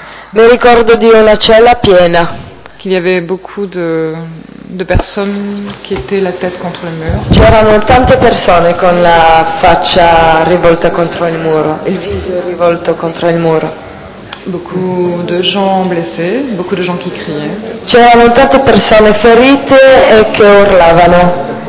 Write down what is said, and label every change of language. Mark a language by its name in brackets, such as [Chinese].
[Italian] Mi ricordo di una cella piena. [French] Qu'il y avait beaucoup de personnes qui étaient la tête contre le mur. [Italian] C'erano tante persone con la faccia rivolta contro il muro, il viso rivolto contro il muro. [French] Beaucoup de gens blessés, beaucoup de gens qui criaient. [Italian] C'erano tante persone ferite e che urlavano.